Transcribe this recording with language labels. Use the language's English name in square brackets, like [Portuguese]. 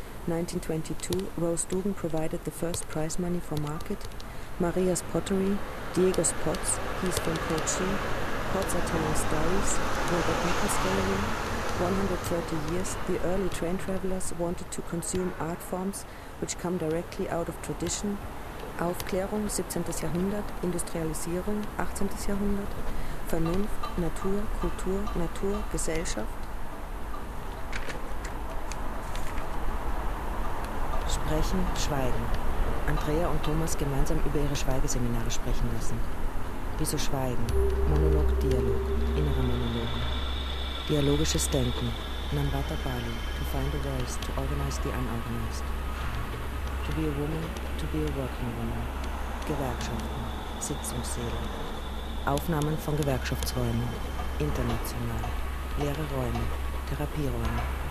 [English] 1922, Rose Dugan provided the first prize money for market. Maria's pottery, Diego's pots, he's from Pochi. Pots are telling stories. Robert Nichols Gallery. 130 years, the early train travelers wanted to consume art forms which come directly out of tradition. [German] Aufklärung, 17. Jahrhundert, Industrialisierung, 18. Jahrhundert, Vernunft, Natur, Kultur, Natur, Gesellschaft. Sprechen, schweigen. Andrea und Thomas gemeinsam über ihre Schweigeseminare sprechen lassen. Wieso schweigen? Monolog, Dialog, innere Monologe. Dialogisches Denken. Namrata Bali. [English] To find a voice, to organize the unorganized. To be a woman, to be a working woman. [German] Gewerkschaften. Sitzungssäle. Aufnahmen von Gewerkschaftsräumen. International. Leere Räume. Therapieräume.